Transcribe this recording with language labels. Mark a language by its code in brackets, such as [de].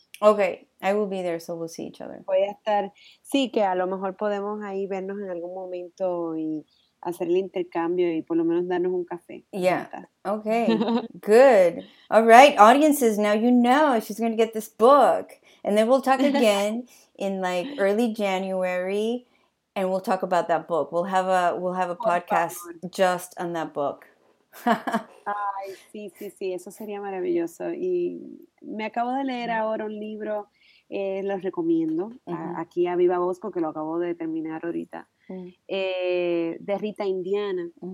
[en] Okay, I will be there, so we'll see each other. [es] Voy a estar, sí, que a lo mejor podemos ahí vernos en algún momento y hacer el intercambio y por lo menos darnos un café. [en] Yeah. Okay. Good. All right, audiences. Now you know she's going to get this book, and then we'll talk again in like early January, and we'll talk about that book. We'll have a podcast just on that book. [es] Ay, sí, eso sería maravilloso. Y me acabo de leer ahora un libro, lo recomiendo, aquí a Viva Bosco, que lo acabo de terminar ahorita, de Rita Indiana.